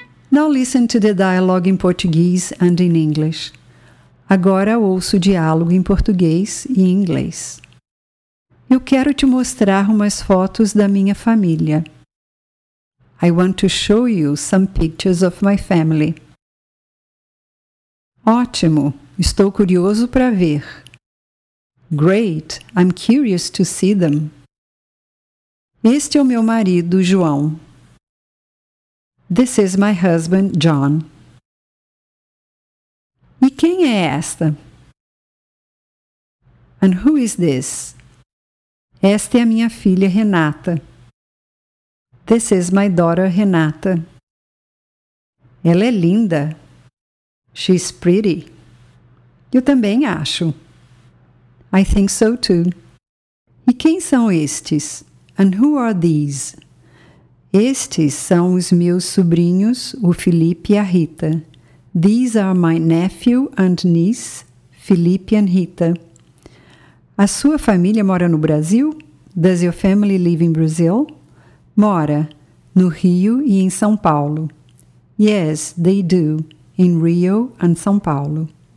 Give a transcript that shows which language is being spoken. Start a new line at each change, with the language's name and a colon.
English: Now listen to the dialogue in Portuguese and in English.
Portuguese: Agora ouço o diálogo em português e em inglês. Eu quero te mostrar umas fotos da minha família.
English: I want to show you some pictures of my family.
Portuguese: Ótimo! Estou curioso para ver.
English: Great! I'm curious to see them.
Portuguese: Este é o meu marido, João.
English: This is my husband, John.
Portuguese: E quem é esta?
English: And who is this?
Portuguese: Esta é a minha filha, Renata.
English: This is my daughter, Renata.
Portuguese: Ela é linda.
English: She's pretty.
Portuguese: Eu também acho.
English: I think so too.
Portuguese: E quem são estes?
English: And who are these?
Portuguese: Estes são os meus sobrinhos, o Felipe e a Rita.
English: These are my nephew and niece, Felipe and Rita.
Portuguese: A sua família mora no Brasil?
English: Does your family live in Brazil?
Portuguese: Mora, no Rio e em São Paulo.
English: Yes, they do, in Rio and São Paulo.